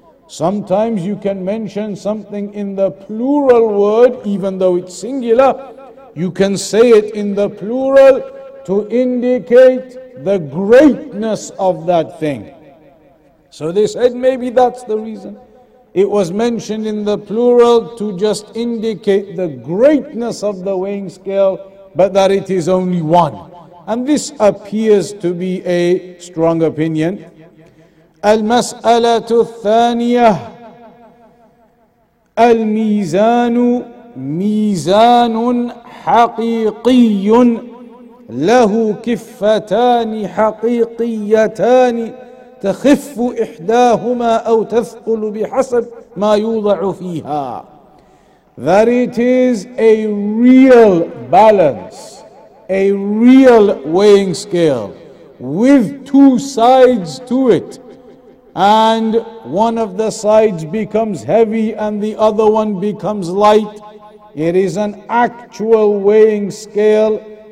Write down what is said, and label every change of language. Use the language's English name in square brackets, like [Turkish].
[English] Sometimes you can mention something in the plural word, even though it's singular, you can say it in the plural to indicate the greatness of that thing. So they said maybe that's the reason. It was mentioned in the plural to just indicate the greatness of the weighing scale, but that it is only one. And this appears to be a strong opinion. [Arabic] المسألة الثانية الميزان ميزان حقيقي له كفتان حقيقيتان تخف إحداهما أو تثقل بحسب ما يوضع فيها. [English] That it is a real balance, a real weighing scale with two sides to it, and one of the sides becomes heavy and the other one becomes light. It is an actual weighing scale.